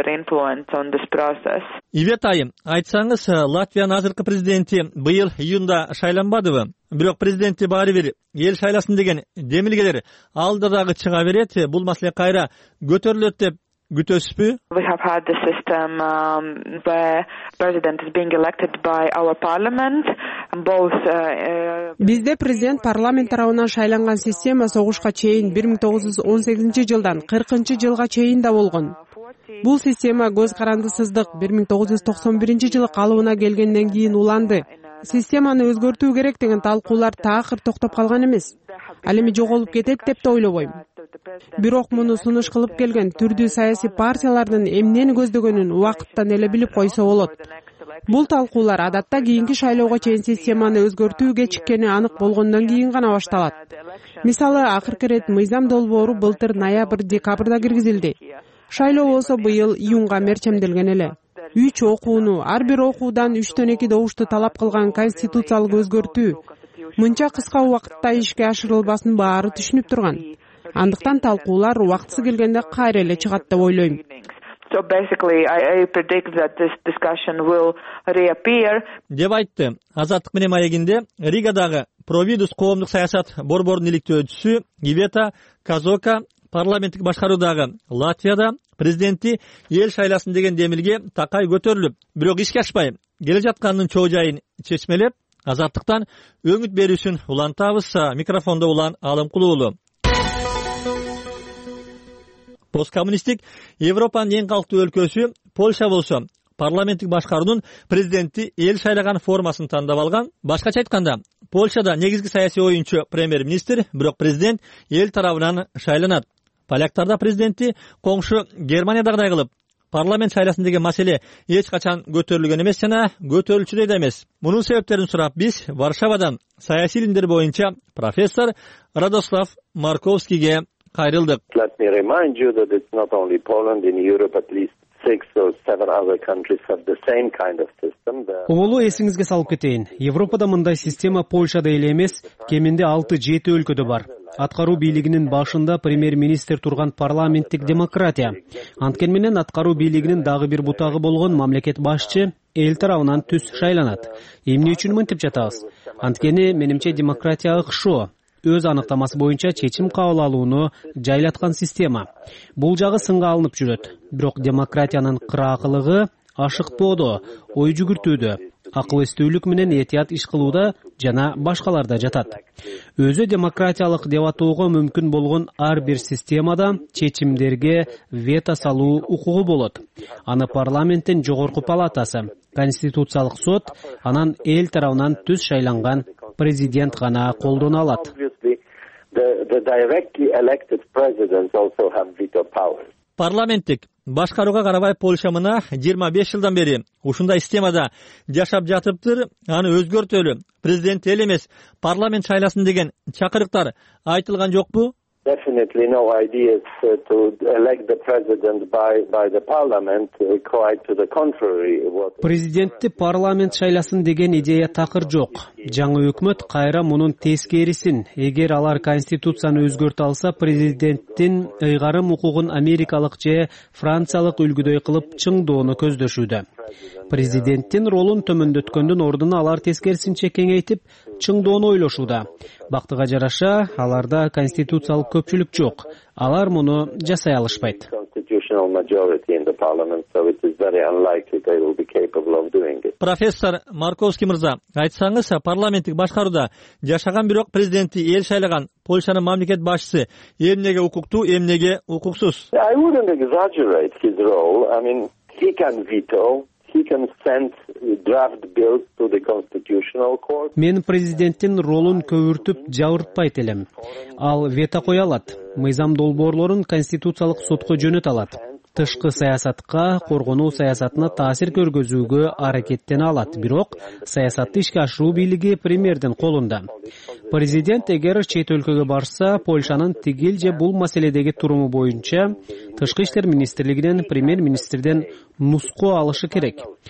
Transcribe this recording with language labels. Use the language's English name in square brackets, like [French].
[Kyrgyz] Ивет айым, айтсаңыз, Латвиянын азыркы президенти быйыл июнда шайланбадыбы? Бирок президентти баары бир эл шайласын деген демилгелер алда дагы чыга берет, бул маселе кайра көтөрүлөт деп күтөсүзбү? [English] We have had the system where president is being elected by our parliament. Both [Kyrgyz] бизде президент парламент тарабынан шайланган система согушка чейин 1918 жылдан 40 жылга чейин да болгон. Бул система көз карандысыздык 1991 жылы калыбына келгенден кийин уланды. Системаны өзгөртүү керек деген талкуулар таакыр токтоп калган эмес. Ал эми жоголуп кетет деп да ойлобойм. Бирок муну сунуш кылып келген түрдүү саясий партиялардын эмнени көздөгөнүн убакыттан эле билип койсо болот. Бул талкуулар адатта кийинки шайлоого чейин системаны өзгөртүү кечиккени анык болгондон кийин гана башталат. Мисалы, акыркы ирет мыйзам долбоору былтыр ноябрь-декабрда киргизилди. Шайлоо болсо быйыл июнга мерчемделген эле. 3 окууну, ар бир окуудан 3-2 добушту талап кылган конституциялык өзгөртүү мынча кыска убакытта ишке ашырылбасын баары түшүнүп турган. Андыктан талкуулар убактысы келгенде кайра эле чыгат деп ойлойм. [English] So basically I predict that this discussion will reappear. [Kyrgyz] Деп айтты Азаттык менен маегинде Ригадагы Providus коомдук саясат борборунун иликтөөчүсү Ивета Казока. Парламенттик башкаруудагы Латвияда президентти эл шайласын деген демилге такай көтөрүлүп, бирок ишке ашпай келе жатканынын чоо жайын чечмелеп, азаттыктан өңүт берүүсүн улантабыз. Микрофондо улан Алымкулуулу. Посткоммунисттик Европанын эң калктуу өлкөсү Польша болсо, парламенттик башкаруунун президенти эл шайлаган формасын тандап алган. Башкача айтканда, Польшада негизги саясий оюнчу премьер-министр, бирок президент эл тарабынан шайланат. Поляктарда президенти коңшу Германиядагыдай кылып, парламент шайласындагы маселе эч качан көтөрүлгөн эмес жана көтөрүлчүдөй да эмес. Мунун себептерин сурап, биз Варшавадан саясий илимдер боюнча профессор Радослав Марковскийге кайрылдык. [English] Let me remind you that it's not only Poland, in Europe at least 6 or 7 other countries have the same kind of system. [Kyrgyz] Оголу эсиңизге салып кетейин. Европада мындай система Польшада эле эмес, кеминде 6-7 өлкөдө бар. Аткаруу бийлигинин башында премьер-министр турган парламенттик демократия. Анткени менен аткаруу бийлигинин дагы бир бутагы болгон мамлекет башчы эл тарабынан түз шайланат. Эмне үчүн мынтип жатабыз? Анткени менимче демократия ыкшоо өз аныктамасы боюнча чечим кабыл алууну жайлаткан система. Бул жагы сынга алынып жүрөт. Бирок демократиянын кыраакылыгы ашыктоодо, ой жүгүртүүдө, акыл эстүүлүк менен этият иш кылууда жана башкаларда жатат. Өзү демократиялык деп атоого мүмкүн болгон ар бир системада чечимдерге вето салуу укугу болот. Аны парламенттин жогорку палатасы, конституциялык сот, анан эл тарабынан түз шайланган президент гана колдоно алат. [English] The directly elected presidents also have veto powers. [Kyrgyz] Парламенттик башкарууга карабай Польша мына 25 жылдан бери ушундай системада жашап жатыптыр, аны өзгөртөлү. Президент эле эмес, парламент шайласын деген чакырыктар айтылган жокпу? [English] Definitely no ideas to elect the president by the parliament, quite to the contrary. [Kyrgyz] Президентти парламент шайласын деген идея такыр жок. Жаңы өкмөт кайра мунун тескерисин. Эгер алар конституцияны өзгөртө алса, президенттин ыйгарым укугун америкалык же франциялык үлгүдөй кылып чыңдоону көздөшүүдө. Президенттин ролун төмөндөткөндүн ордуна алар тескерисинче кеңейтип чыңдоону ойлошууда. Бактыга жараша, аларда конституциялык көпчүлүк жок. Алар муну жасай алышпайт. Профессор Марковский мырза, айтсаңыз, парламенттик башкарууда жашаган бирок президенти эл шайлаган Польшанын мамлекет башчысы эмнеге укуктуу, эмнеге укуксуз? [English] I wouldn't exaggerate his role. I mean, he can veto. He can send draft bills to the constitutional court. [Kyrgyz] Мен президенттин ролун көбүртүп жабыртпайт элем. Ал вето кое алат. Мыйзам долбоорлорун конституциялык сотко жөнөтө алат. Тышкы саясатка, коргонуу саясатына таасир көргөзүүгө аракеттене алат, бирок саясатты ишке ашыруу бийлиги премьердин колунда. Президент эгер чет өлкөгө барса, Польшанын тигил же бул маселедеги туруму боюнча Тышкы иштер министрлигинен премьер-министрден нуску алышы керек.